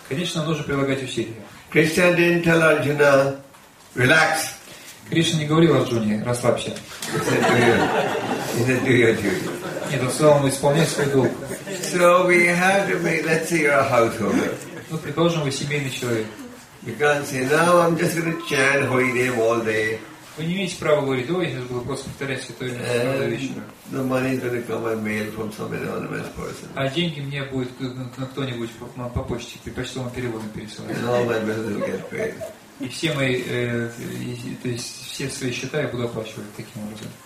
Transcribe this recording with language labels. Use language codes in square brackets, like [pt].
[ru] Конечно, нужно прилагать усилия. [en] Krishna didn't tell Arjuna, relax. [ru] Кришна не говорил Арджуне, расслабься. Нет, он сказал ему, исполняй свой долг. [en] So we have to make. Let's say you're a householder. [ru] Ну, предположим, вы семейный человек. [en] You can't say, now I'm just going to chant Holy Name all day. [ru] Вы не имеете права говорить, ой, я сейчас буду просто повторять Святое Имя каждый вечер. [en] The money is going to come by mail from some anonymous person. [ru] А деньги мне будет на кто-нибудь по почте, при почтовом переводе пересылать. [en] And all my bills will get paid. [ru] И все мои, то есть все свои счета я буду оплачивать таким образом.